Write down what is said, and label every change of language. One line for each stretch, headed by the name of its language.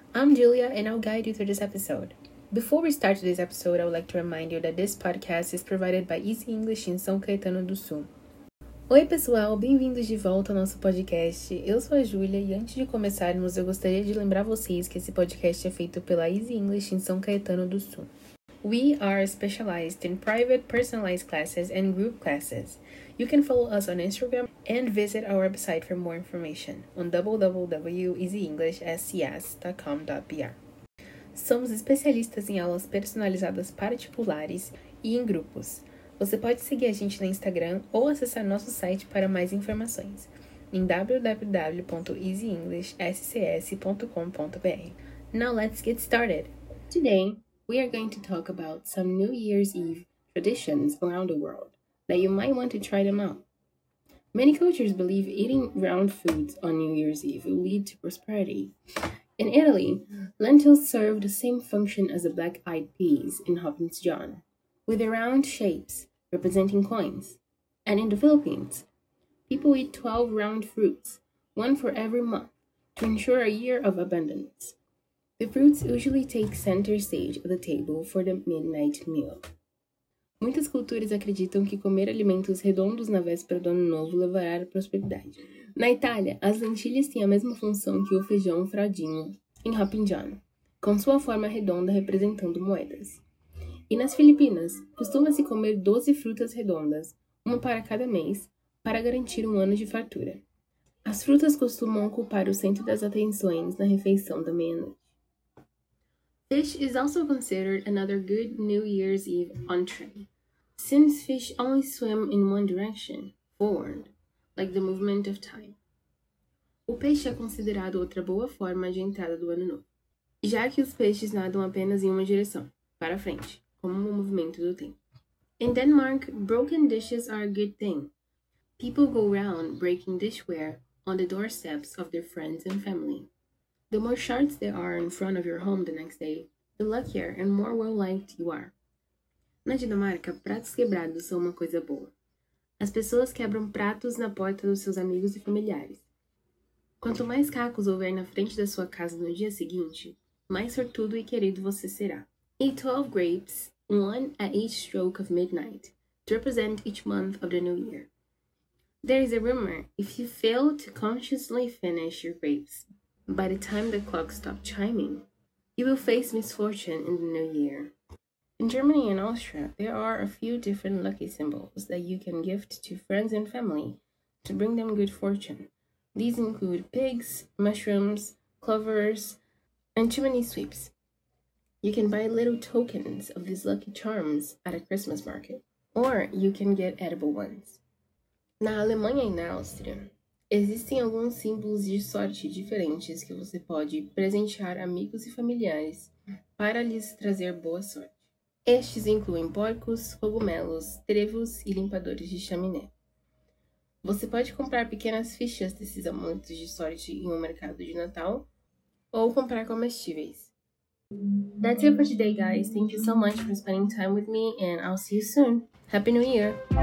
English: I'm Julia and I'll guide you through this episode. Before we start this episode, I would like to remind you that this podcast is provided by Easy English in São Caetano do Sul.
Portuguese: Oi pessoal, bem-vindos de volta ao nosso podcast. Eu sou a Julia e antes de começarmos, eu gostaria de lembrar vocês que esse podcast é feito pela Easy English em São Caetano do Sul.
English: We are specialized in private personalized classes and group classes. You can follow us on Instagram and visit our website for more information on www.easyenglishscs.com.br.
Portuguese: Somos especialistas em aulas personalizadas particulares e em grupos. Você pode seguir a gente no Instagram ou acessar nosso site para mais informações em www.easyenglishscs.com.br.
English: Now let's get started! Today, we are going to talk about some New Year's Eve traditions around the world that you might want to try them out. Many cultures believe eating round foods on New Year's Eve will lead to prosperity. In Italy, lentils serve the same function as the black-eyed peas in Hobson's John, with their round shapes representing coins. And in the Philippines, people eat 12 round fruits, one for every month, to ensure a year of abundance. The fruits usually take center stage at the table for the midnight meal.
Portuguese: Muitas culturas acreditam que comer alimentos redondos na véspera do ano novo levará à prosperidade. Na Itália, as lentilhas têm a mesma função que o feijão fradinho em Hobson's John, com sua forma redonda representando moedas. E nas Filipinas, costuma-se comer 12 frutas redondas, uma para cada mês, para garantir um ano de fartura. As frutas costumam ocupar o centro das atenções na refeição da meia-noite.
English: Fish is also considered another good New Year's Eve entree, since fish only swim in one direction, forward, like the movement of time.
Portuguese: O peixe é considerado outra boa forma de entrada do ano novo, já que os peixes nadam apenas em uma direção, para frente, como o movimento do tempo.
English: In Denmark, broken dishes are a good thing. People go around breaking dishware on the doorsteps of their friends and family. The more shards there are in front of your home the next day, the luckier and more well-liked you are.
Portuguese: Na Dinamarca, pratos quebrados são uma coisa boa. As pessoas quebram pratos na porta dos seus amigos e familiares. Quanto mais cacos houver na frente da sua casa no dia seguinte, mais sortudo e querido você será.
English: Eat 12 grapes, one at each stroke of midnight, to represent each month of the new year. There is a rumor, if you fail to consciously finish your grapes, by the time the clock stops chiming, you will face misfortune in the new year. In Germany and Austria, there are a few different lucky symbols that you can gift to friends and family to bring them good fortune. These include pigs, mushrooms, clovers, and chimney sweeps. You can buy little tokens of these lucky charms at a Christmas market, or you can get edible ones.
Portuguese: Na Alemanha e na Áustria, existem alguns símbolos de sorte diferentes que você pode presentear amigos e familiares para lhes trazer boa sorte. Estes incluem porcos, cogumelos, trevos e limpadores de chaminé. Você pode comprar pequenas fichas desses amuletos de sorte em um mercado de Natal ou comprar comestíveis.
English: That's it for today, guys. Thank you so much for spending time with me and I'll see you soon. Happy New Year!